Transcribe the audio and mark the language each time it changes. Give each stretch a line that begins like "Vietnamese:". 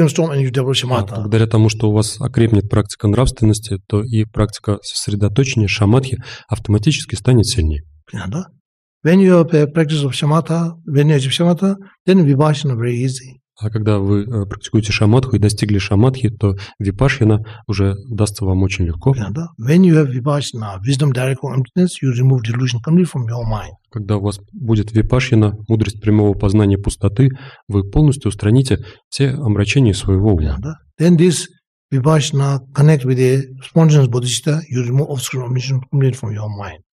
Russian: благодаря тому, что у вас окрепнет практика нравственности, то и практика сосредоточения шамадхи автоматически станет сильнее. Да.
English: When you have a practice of shamatha, when you achieve shamatha, then vipassana very easy.
Russian: А когда вы практикуете шамадху и достигли шамадхи, то випашьяна уже дастся вам очень легко.
English: When you have vipassana, wisdom direct emptiness, you remove delusion completely from your mind.
Russian: Когда у вас будет випашьяна, мудрость прямого познания пустоты, вы полностью устраните все омрачения своего ума.
English: Then this vipassana connect with the spontaneous bodhicitta, you remove obstacle omission completely from your mind.